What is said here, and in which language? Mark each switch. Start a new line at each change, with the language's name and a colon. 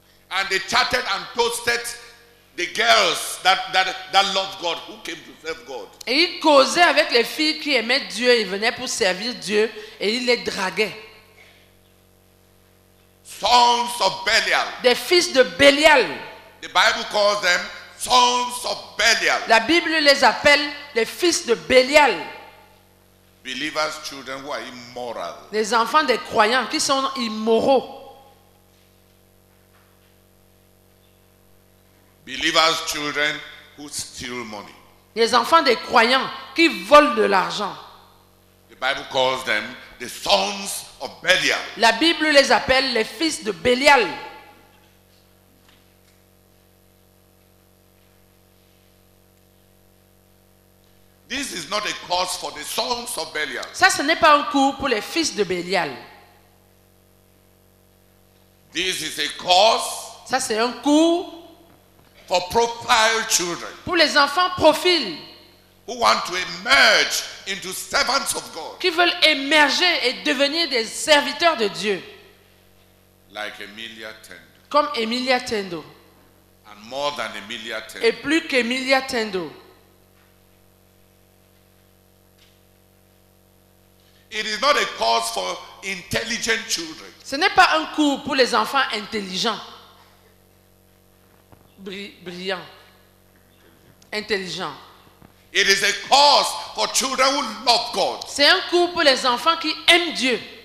English: And they chatted and toasted the girls that loved God, who came to serve God.
French: Et ils causaient avec les filles qui aimaient Dieu et venaient pour servir Dieu et ils les draguaient.
English: Sons of Belial.
French: Des fils de Belial.
English: The Bible calls them sons of Belial.
French: La Bible les appelle les fils de Belial.
English: Believers, children who are immoral.
French: Les enfants des croyants qui sont immoraux.
English: Believers, children who steal money.
French: Les enfants des croyants qui volent de l'argent.
English: The Bible calls them the sons of Belial.
French: La Bible les appelle les fils de Belial.
English: This is not a cause for the sons of Belial.
French: Ça, ce n'est pas un cours pour les fils de Belial.
English: This is a cause.
French: Ça, c'est un cours
English: for profile children.
French: Pour les enfants profil.
English: Who want to emerge into servants of God.
French: Qui veulent émerger et devenir des serviteurs de Dieu.
English: Like Emilia Tendo.
French: Comme Emilia Tendo.
English: And more than Emilia Tendo.
French: Et plus qu'Emilia Tendo.
English: It is not a cause for intelligent children.
French: Ce n'est pas un cours pour les enfants intelligents. Brillants. Intelligents.
English: It is a cause for children who love God.
French: C'est un cours pour les enfants qui aiment Dieu.